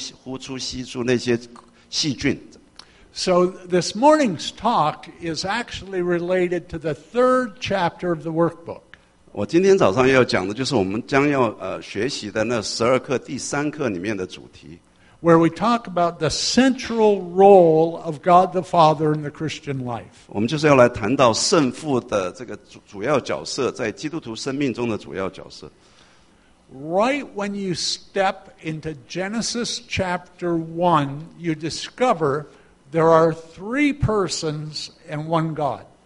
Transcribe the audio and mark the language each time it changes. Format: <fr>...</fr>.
<zh>其实那个真正的原因是坐飞机回来，在飞机上那么长的时间在呼出吸出那些细菌。</zh> <en>So this morning's talk is actually related to the third chapter of the workbook.</en> <zh>我今天早上要讲的就是我们将要学习的那十二课第三课里面的主题。</zh> <en>Where we talk about the central role of God the Father in the Christian life.</en> <zh>我们就是要来谈到圣父的这个主要角色，在基督徒生命中的主要角色。</zh> <en>Right when you step into Genesis chapter 1, you discover there are three persons and one God.</en>